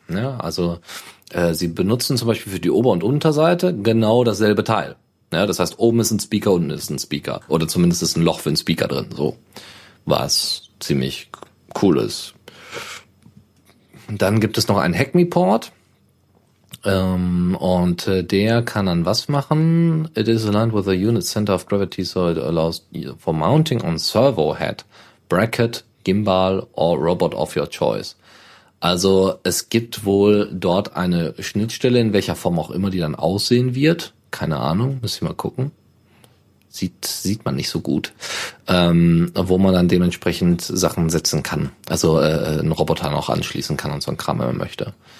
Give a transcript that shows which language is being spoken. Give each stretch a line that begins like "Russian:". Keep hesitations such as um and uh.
German: Ja, also äh, sie benutzen zum Beispiel für die Ober- und Unterseite genau dasselbe Teil. Ja, das heißt, oben ist ein Speaker, unten ist ein Speaker. Oder zumindest ist ein Loch für einen Speaker drin. So was ziemlich cool ist. Dann gibt es noch einen HackMe-Port. Ähm, und äh, der kann dann was machen?
English: It is aligned with the unit center of gravity, so it allows for mounting on servo head, bracket, gimbal or robot of your choice.
German: Also es gibt wohl dort eine Schnittstelle, in welcher Form auch immer die dann aussehen wird. Keine Ahnung, müssen wir mal gucken sieht, sieht man nicht so gut, ähm, wo man dann dementsprechend Sachen setzen kann. Also äh, einen Roboter noch anschließen kann und so ein Kram, wenn man möchte.